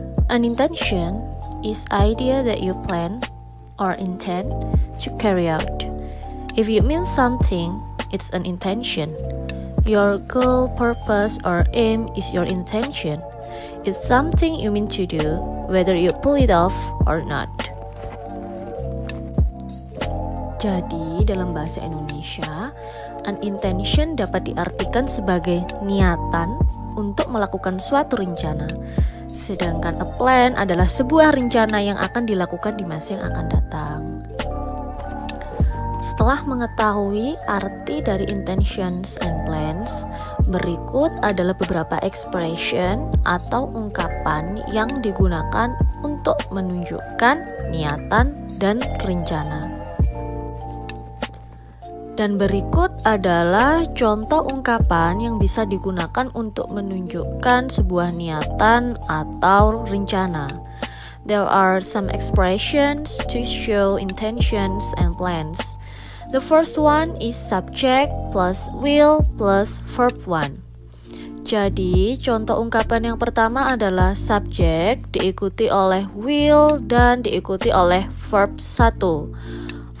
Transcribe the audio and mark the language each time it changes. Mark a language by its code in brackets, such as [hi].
[en] An intention is idea that you plan or intend to carry out. If you mean something, it's an intention. Your goal, purpose, or aim is your intention. It's something you mean to do, whether you pull it off or not. [id] Jadi, dalam bahasa Indonesia, [en] an intention [id] dapat diartikan sebagai niatan untuk melakukan suatu rencana. Sedangkan a plan adalah sebuah rencana yang akan dilakukan di masa yang akan datang. Setelah mengetahui arti dari [en] intentions and plans, [id] berikut adalah beberapa expression atau ungkapan yang digunakan untuk menunjukkan niatan dan rencana. Dan berikut adalah contoh ungkapan yang bisa digunakan untuk menunjukkan sebuah niatan atau rencana. [en] There are some expressions to show intentions and plans. The first one is subject plus will plus verb one. [id] Jadi, contoh ungkapan yang pertama adalah subject diikuti oleh will dan diikuti oleh verb 1.